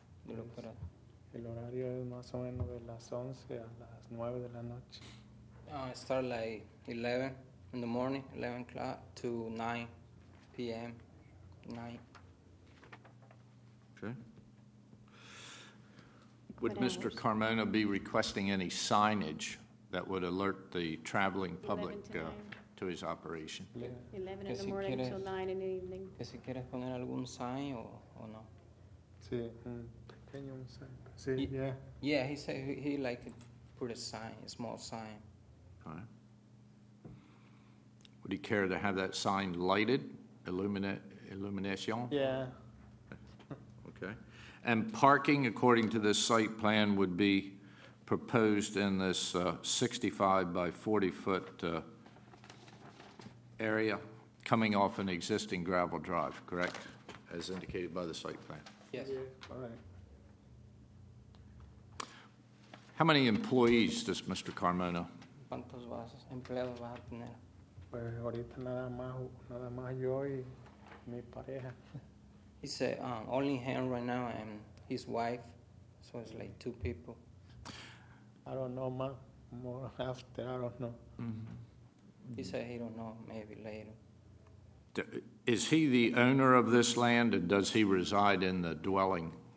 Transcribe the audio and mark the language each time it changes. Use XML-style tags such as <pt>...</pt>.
<es>El horario es más o menos de las 11 a las 9 de la noche.</es> <en>I start like 11 in the morning, 11 o'clock to 9 p.m. night. Okay. Would Mr. Carmona be requesting any signage that would alert the traveling public to his operation? 11 in the morning till 9 in the evening.</en> <es>Que si quieres poner algún sign o no. Sí, pequeño sign. Sí, yeah.</es> <en>Yeah, he said he like to put a sign, a small sign. Okay. Would he care to have that sign lighted, illumination? Yeah. Okay. And parking, according to this site plan, would be proposed in this 65 by 40-foot area coming off an existing gravel drive, correct, as indicated by the site plan? Yes. Yeah. All right. How many employees does Mr. Carmona?</en> <es>¿Cuántos empleados vas a tener? Pues ahorita nada más yo y mi pareja.</es> <en>He said only him right now and his wife, so it's like two people. I don't know, more after, I don't know. Mm-hmm. He said he don't know, maybe later. Is he the owner of this land, and does he reside in the dwelling?</en>